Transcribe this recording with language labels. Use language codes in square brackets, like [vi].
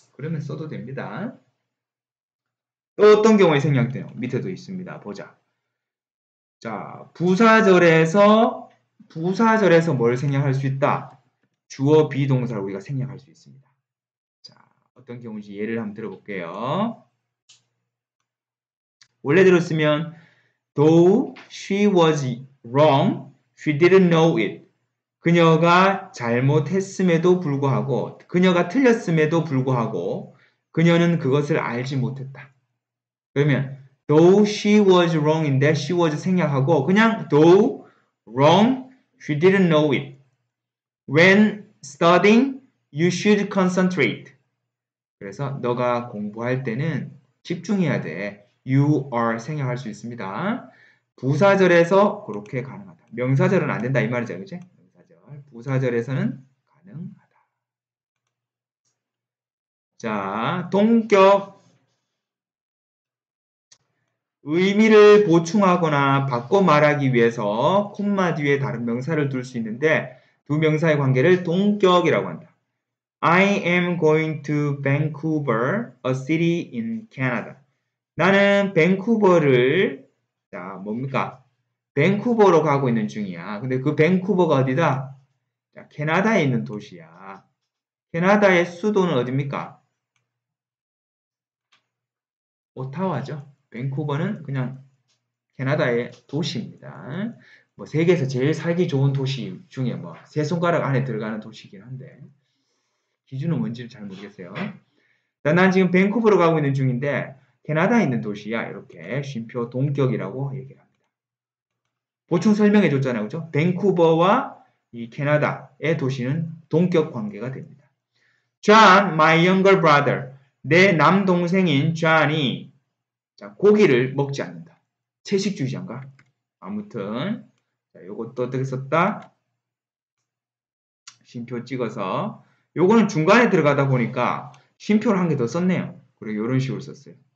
[ko] 그러면 써도 됩니다. 또 어떤 경우에 생략돼요? 밑에도 있습니다. 보자. 자, 부사절에서 뭘 생략할 수 있다? 주어, 비동사를 우리가 생략할 수 있습니다. 자, 어떤 경우인지 예를 한번 들어볼게요. 원래대로 쓰면 [en] Though she was wrong, she didn't know it. [ko] 그녀가 잘못했음에도 불구하고 그녀가 틀렸음에도 불구하고 그녀는 그것을 알지 못했다. 그러면 [en] Though she was wrong인데 she was [ko] 생략하고 그냥 [en] Though wrong She didn't know it. When studying, you should concentrate. [ko] 그래서 너가 공부할 때는 집중해야 돼. [en] You are [ko] 생략할 수 있습니다. 부사절에서 그렇게 가능하다. 명사절은 안 된다 이 말이죠. 그치? 명사절. 부사절에서는 가능하다. 자, 동격. 의미를 보충하거나 바꿔 말하기 위해서 콤마 뒤에 다른 명사를 둘 수 있는데 두 명사의 관계를 동격이라고 한다. [en] am going to Vancouver, a city in Canada. [ko] 나는 밴쿠버를, 자, 뭡니까? 밴쿠버로 가고 있는 중이야. 근데 그 밴쿠버가 어디다? 자, 캐나다에 있는 도시야. 캐나다의 수도는 어딥니까? 오타와죠. 밴쿠버는 그냥 캐나다의 도시입니다. 뭐 세계에서 제일 살기 좋은 도시 중에 뭐세 손가락 안에 들어가는 도시이긴 한데 기준은 뭔지는 잘 모르겠어요. 난 지금 밴쿠버로 가고 있는 중인데 캐나다에 있는 도시야. 이렇게 쉼표 동격이라고 얘기를 합니다. 보충 설명해 줬잖아요, 그죠? 밴쿠버와 이 캐나다의 도시는 동격 관계가 됩니다. [en] John, my younger brother. [ko] 내 남동생인 John이 고기를 먹지 않는다. 채식주의자인가? 아무튼, 요것도 어떻게 썼다? 쉼표 찍어서, 요거는 중간에 들어가다 보니까 쉼표를 한개더 썼네요. 그리고 요런 식으로 썼어요.